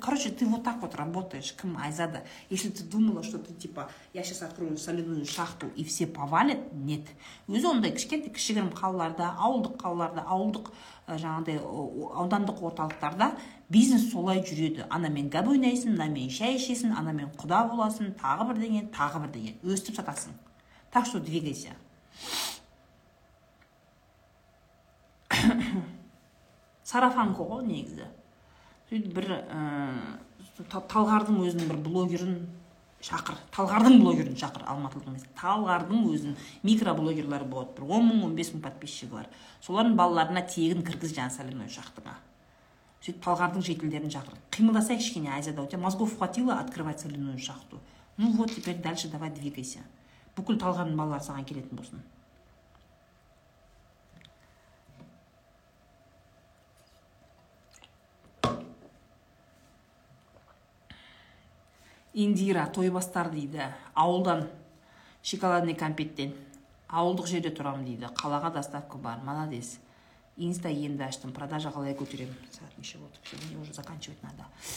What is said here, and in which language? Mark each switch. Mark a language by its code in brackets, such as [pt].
[ru] Короче, ты вот так вот работаешь, кім Айзада? Если ты думала, что ты типа, я сейчас открою соляную шахту и все повалят, нет. [kk] Өзі ондай кішкентай кішігірім қалаларда, ауылдық жаңағыдай аудандық орталықтарда бизнес солай жүреді. Ана мен гәп ойнайсың, ана мен шай ішесің, ана мен құда боласың, тағы бір деген, тағы бір деген. Өстіп сатасың. [ru] Так что двигайся. [kk] Сарафан қоғы негізі. Сөйтіп бір Талғардың өзінің бір блогерін шақыр. Талғардың блогерін шақыр Алматылық емес. Талғардың өзінің микроблогерлері болады. Бір 10 000-15 000 подписчигі бар. Солардың балаларына тегін кіргіз жан соляной шахтыға. Сөйтіп Талғардың жетілдерін шақыр. Қимылдасай кішкене Айзада, [ru] у тебя мозгов хватило открывать соляную шахту. Ну вот теперь дальше давай двигайся. [kk] Бүкіл Талғардың балалары саған келетін болсын. Индира тойбастар дейді, ауылдан шоколадный кампеттен. Ауылдық жерде тұрам дейді, қалаға доставка бар, молодец. Инста енді аштым, продажа қалай көтеремін. Сағат неше болды, [ru] сегодня уже заканчивать надо.